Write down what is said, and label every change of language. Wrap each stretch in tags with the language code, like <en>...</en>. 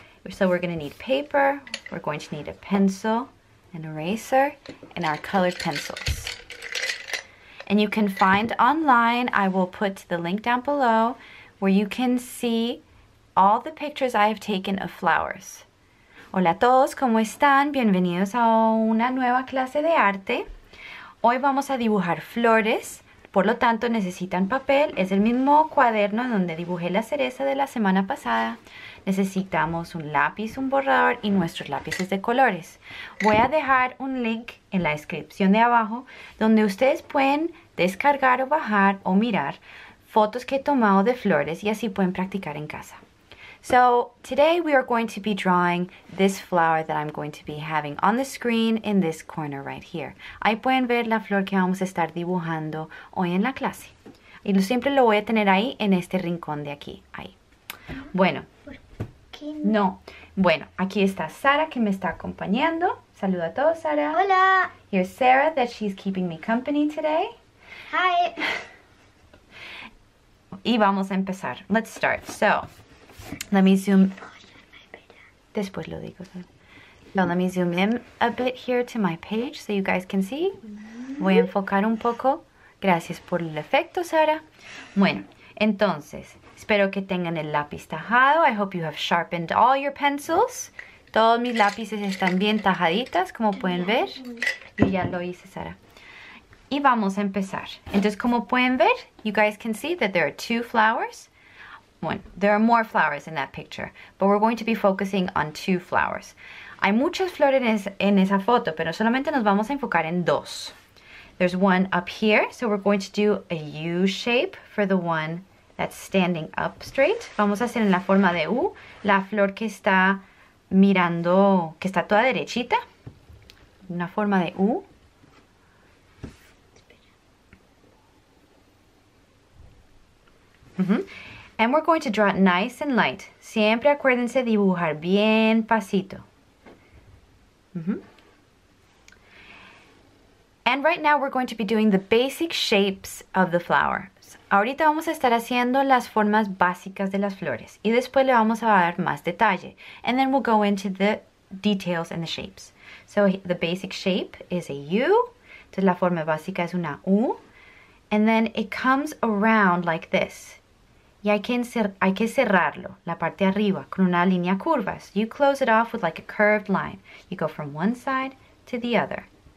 <en>So we're going to need paper. We're going to need a pencil, an eraser, and our colored pencils. And you can find online, I will put the link down below, where you can see all the pictures I have taken of flowers.</en> <es>Hola a todos, ¿cómo están? Bienvenidos a una nueva clase de arte. Hoy vamos a dibujar flores, por lo tanto necesitan papel. Es el mismo cuaderno donde dibujé la cereza de la semana pasada. Necesitamos un lápiz, un borrador y nuestros lápices de colores. Voy a dejar un link en la descripción de abajo donde ustedes pueden descargar o bajar o mirar fotos que he tomado de flores y así pueden practicar en casa.</es> <en>So, today we are going to be drawing this flower that I'm going to be having on the screen in this corner right here.</en> <es>Ahí pueden ver la flor que vamos a estar dibujando hoy en la clase. Y siempre lo voy a tener ahí en este rincón de aquí. Ahí. Bueno. No. Bueno, aquí está Sara que me está acompañando. Saluda a todos, Sara. Hola.</es> <en>Here's Sarah that she's keeping me company today. Hi.</en> <es>Y vamos a empezar.</es> <en>Let's start. So, let me zoom.</en> <es>Después lo digo.</es> <en>So, let me zoom in a bit here to my page so you guys can see.</en> <es>Voy a enfocar un poco. Gracias por el efecto, Sara. Bueno, entonces, espero que tengan el lápiz tajado.</es> <en>I hope you have sharpened all your pencils.</en> <es>Todos mis lápices están bien tajaditas, como pueden ver. Y ya lo hice, Sara. Y vamos a empezar. Entonces, como pueden ver,</es> <en>you guys can see that there are two flowers. Bueno, there are more flowers in that picture, but we're going to be focusing on two flowers.</en> <es>Hay muchas flores en esa foto, pero solamente nos vamos a enfocar en dos.</es> <en>There's one up here, so we're going to do a U shape for the one that's standing up straight.</en> <es>Vamos a hacer en la forma de U la flor que está mirando, que está toda derechita. Una forma de U.</es> <en>And we're going to draw it nice and light.</en> <es>Siempre acuérdense de dibujar bien pasito.</es> <en>And right now we're going to be doing the basic shapes of the flower.</en> <es>Ahorita vamos a estar haciendo las formas básicas de las flores. Y después le vamos a dar más detalle.</es> <en>And then we'll go into the details and the shapes. So the basic shape is a U.</en> <es>Entonces la forma básica es una U.</es> <en>And then it comes around like this.</en> <es>Y hay que cerrarlo, la parte de arriba, con una línea curva.</es> <en>So you close it off with like a curved line. You go from one side to the other.</en>